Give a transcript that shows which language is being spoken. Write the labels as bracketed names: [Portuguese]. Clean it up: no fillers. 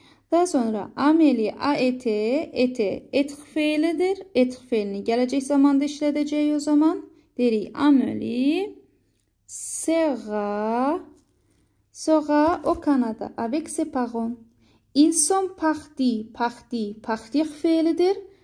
[Turkish] Daha sonra Amélie a été être fiilidir. Être fiilini gelecek zamanda işleteceği o zaman. [French] Deri Amélie sera au Canada avec ses parents. Ils sont partis, partir fiilidir.